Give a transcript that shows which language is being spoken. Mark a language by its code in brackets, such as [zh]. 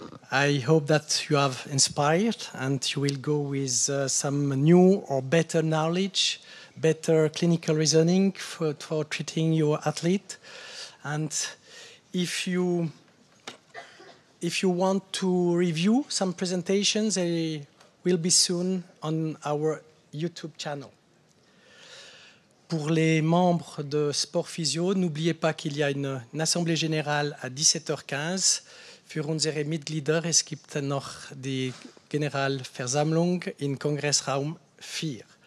[en] I hope that you have inspired and you will go with some new or better knowledge, better clinical reasoning for treating your athlete. And if you want to review some presentations, they will be soon on our YouTube channel. [fr] Pour les membres de Sport Physio, n'oubliez pas qu'il y a une assemblée générale à 17h15. [de] Für unsere Mitglieder, es gibt noch die Generalversammlung in Kongressraum 4.